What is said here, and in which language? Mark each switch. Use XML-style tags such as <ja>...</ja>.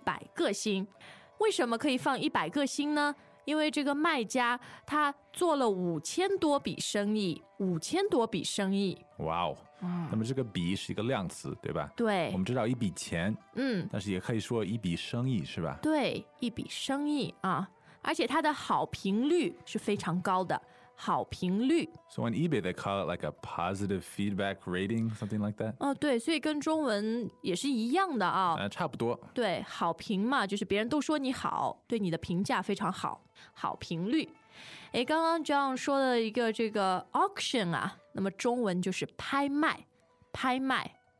<zh>这个很奇怪哦,我们经常说放100个星,或者放10000个星,不太说放1000个星。那这个个也要是吗?个也不能少啊,放100个星。为什么可以放100个星呢?因为这个卖家他做了5000多笔生意,5000多笔生意。哇哦,那么这个笔是一个量词,对吧? 对。我们知道一笔钱,但是也可以说一笔生意是吧? 对,一笔生意啊。 而且它的好评率是非常高的好评率。</zh> <en>So on eBay, they call it like a positive feedback rating, something like that?</en> <zh>对，所以跟中文也是一样的啊。差不多。对，好评嘛，就是别人都说你好，对你的评价非常好，好评率。诶，刚刚 John 说的一个这个 auction 啊，那么中文就是拍卖，拍卖。</zh>